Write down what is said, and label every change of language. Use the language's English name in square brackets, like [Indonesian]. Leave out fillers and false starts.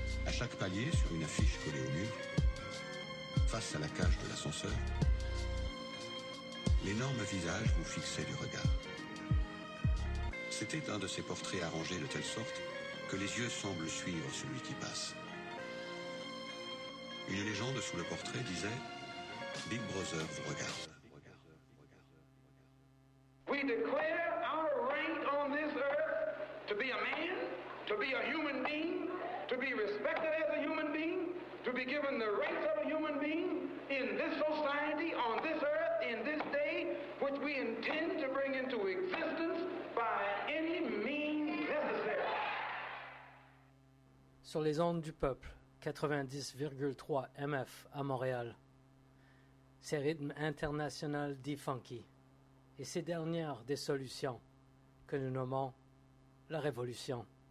[French] Chaque palier sur une affiche collée au mur, face à la cage de l'ascenseur, l'énorme visage vous fixait du regard. C'était un de ces portraits arrangés de telle sorte que les yeux semblent suivre celui qui passe. Une légende sous le portrait disait « Big Brother vous regarde ». [English] a human being, to be respected as a human being, to be given the rights of a human being in this society, on this earth, in this day, which we intend to bring into existence by any means necessary. [French] Sur les ondes du peuple, 90,3 MF à Montréal. C'est Rythme International dit Funky. Et ces dernières des solutions que nous nommons la Révolution.